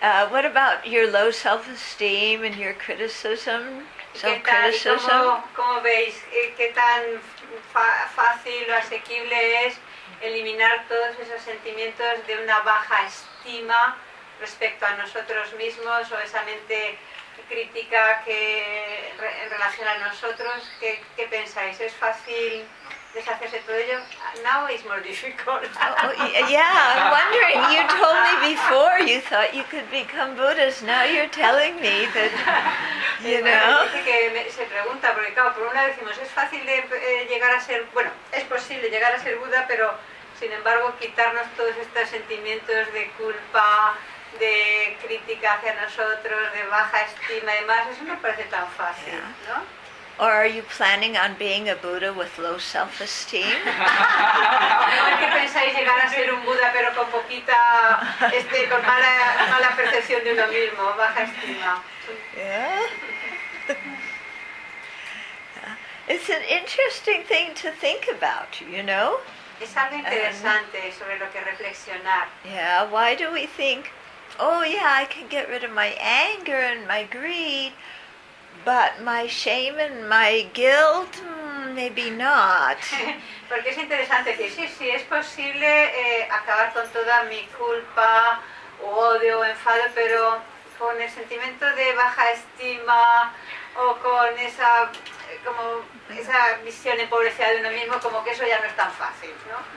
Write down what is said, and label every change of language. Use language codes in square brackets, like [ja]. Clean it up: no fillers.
[en] What about your low self-esteem and your criticism? Self-criticism. [es] ¿Cómo veis qué tan fácil o asequible es eliminar todos esos sentimientos de una baja estima respecto a nosotros mismos o esa mente crítica que en relación a nosotros? ¿Qué pensáis? ¿Es fácil deshacerse de todo ello? [en] Now it's more difficult. Yeah, I'm wondering. You told me before you thought you could become Buddhist. Now you're telling me that, you know. [es] Se pregunta, porque claro, por un lado decimos, es fácil de llegar a ser, bueno, es posible llegar a ser Buda, pero Sin embargo, quitarnos todos estos sentimientos de culpa, de crítica hacia nosotros, de baja estima y demás, eso no parece tan fácil, yeah. ¿No? [en] Or are you planning on being a Buddha with low self-esteem? [es] ¿Qué pensáis llegar a ser un Buda pero con poquita, con mala percepción de uno mismo, baja estima? [en] Yeah. It's an interesting thing to think about, you know? [es] Es algo interesante sobre lo que reflexionar. [en] Yeah, why do we think, oh yeah, I can get rid of my anger and my greed, but my shame and my guilt, maybe not. [es] Porque es interesante que sí, es posible acabar con toda mi culpa, o odio, o enfado, pero con el sentimiento de baja estima, o con esa, como esa visión empobrecida de uno mismo, como que eso ya no es tan fácil, ¿no?